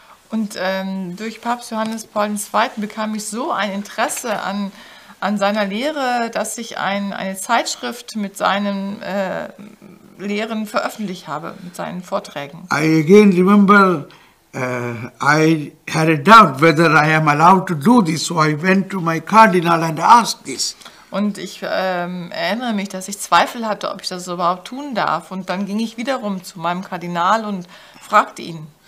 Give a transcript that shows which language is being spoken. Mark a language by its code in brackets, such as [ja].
[de] Und durch Papst Johannes Paul II. Bekam ich so ein Interesse an seiner Lehre, dass ich eine Zeitschrift mit seinem Lehren veröffentlicht habe, mit seinen Vorträgen. [en] I again remember, I had a doubt whether I am allowed to do this, so I went to my cardinal and asked this. [de] Und ich erinnere mich, dass ich Zweifel hatte, ob ich das überhaupt tun darf. Und dann ging ich wiederum zu meinem Kardinal und fragte ihn.